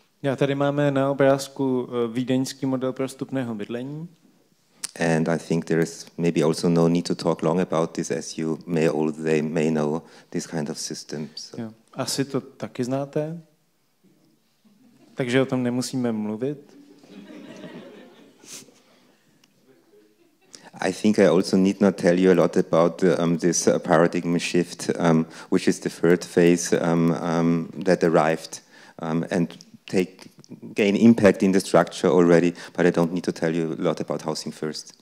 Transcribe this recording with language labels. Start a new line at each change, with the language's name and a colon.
Czech: Já tady máme na obrázku vídeňský model prostupného bydlení.
English: And I think there is maybe also no need to talk long about this, as you may all they may know this kind of system. So.
Czech: Yeah. Asi to taky znáte. Takže o tom nemusíme mluvit.
English: I think I also need not tell you a lot about this paradigm shift, which is the third phase that arrived and take gain impact in the structure already, but I don't need to tell you a lot about housing first.